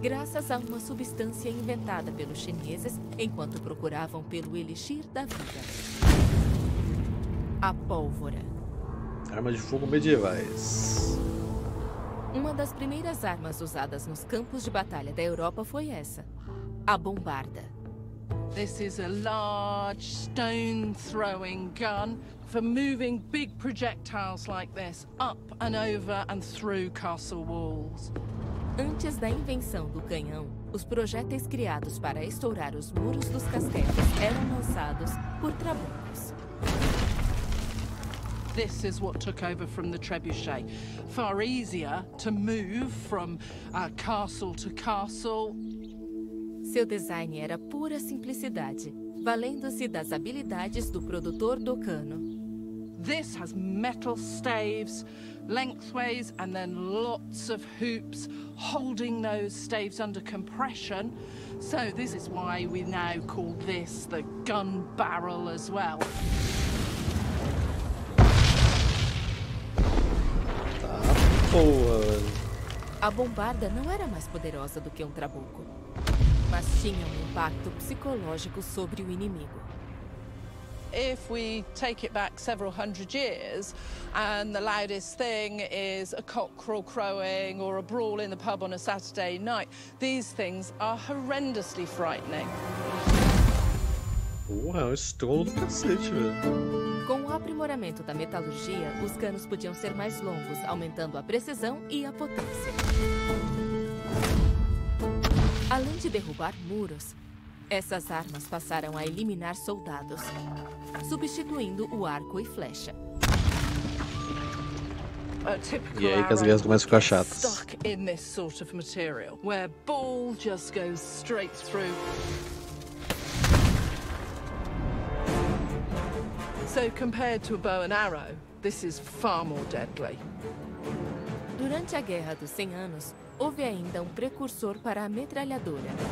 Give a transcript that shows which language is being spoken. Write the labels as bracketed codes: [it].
[pt] Graças a uma substância inventada pelos chineses enquanto procuravam pelo elixir da vida. A pólvora. Arma de fogo medievais. Uma das primeiras armas usadas nos campos de batalha da Europa foi essa. A bombarda. [en] This is a large stone throwing gun for moving big projectiles like this up and over and through castle walls. [pt] Antes da invenção do canhão, os projéteis criados para estourar os muros dos castelos eram lançados por trabucos. [en] This is what took over from the trebuchet. Far easier to move from castle to castle. [pt] Seu design era pura simplicidade, valendo-se das habilidades do produtor do cano. [en] This has metal staves, lengthways, and then lots of hoops holding those staves under compression. So this is why we now call this the gun barrel as well. [pt] A bombarda não era mais poderosa do que um trabuco. Mas tinha um impacto psicológico sobre o inimigo. [en] If we take it back several hundred years, and the loudest thing is a cockerel crowing or a brawl in the pub on a Saturday night, these things are horrendously frightening. [pt] Uau, estou do cacete, velho. Com o aprimoramento da metalurgia, os canos podiam ser mais longos, aumentando a precisão e a potência. Além de derrubar muros, essas armas passaram a eliminar soldados, substituindo o arco e flecha. E aí que as guerras começam a ficar chatas. [en] Stuck in this sort of material, where ball just goes straight through. So compared to a bow and arrow, this is far more deadly. [pt] Durante a Guerra dos 100 Anos, houve ainda um precursor para a metralhadora.